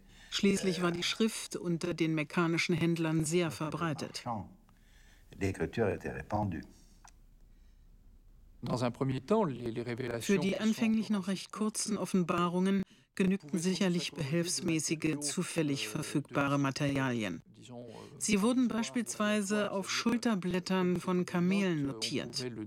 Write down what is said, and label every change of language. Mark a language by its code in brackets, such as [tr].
[de] Schließlich war die Schrift unter den mekkanischen Händlern sehr verbreitet. [fr] L'écriture était répandue. Dans un premier temps, les révélations. [de] Für die anfänglich noch recht kurzen Offenbarungen genügten sicherlich behelfsmäßige, zufällig verfügbare Materialien. Sie wurden beispielsweise auf Schulterblättern von Kamelen notiert.